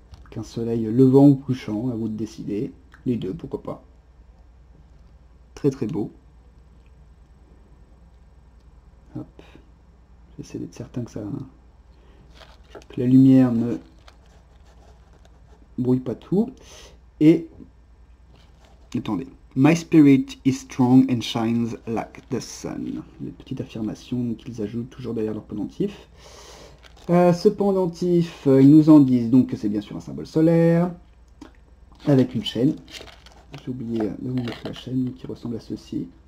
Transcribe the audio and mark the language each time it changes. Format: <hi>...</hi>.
<fr>Qu'un soleil levant ou couchant, à vous de décider. Les deux, pourquoi pas. Très très beau. Hop. J'essaie d'être certain que ça... Que la lumière ne brouille pas tout. Et Attendez.</fr> <en>My spirit is strong and shines like the sun.</en> <fr>Une petite affirmation qu'ils ajoutent toujours derrière leur pendentif. Ce pendentif, ils nous en disent donc que c'est bien sûr un symbole solaire. Avec une chaîne. J'ai oublié de vous mettre la chaîne qui ressemble à ceci.</fr>